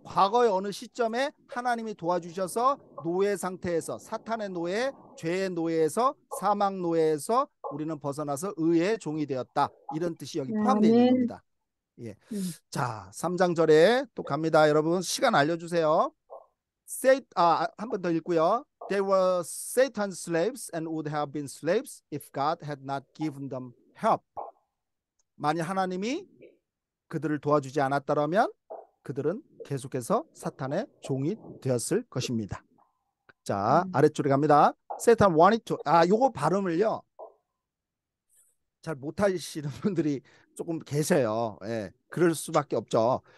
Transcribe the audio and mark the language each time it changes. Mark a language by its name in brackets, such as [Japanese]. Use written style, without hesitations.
[Korean] 과거의 어느 시점에 하나님이 도와주셔서 노예 상태에서 사탄의 노예, 죄의 노예에서 사망 노예에서 우리는 벗어나서 의의 종이 되었다. 이런 뜻이 여기 포함되어 있는 겁니다. 예. 자, 3장절에 또 갑니다. 여러분, 시간 알려주세요. 한번더 읽고요. [English] They were Satan's slaves and would have been slaves if God had not given them help. [Korean] 만일 하나님이 그들을 도와주지 않았더라면 그들은 계속해서 사탄의 종이 되었을 것입니다. 자, 아래쪽으로 갑니다. [English] Satan wanted to. [Korean] 요거 발음을요. 잘 못하시는 분들이 조금 계세요. 예, 그럴 수밖에 없죠.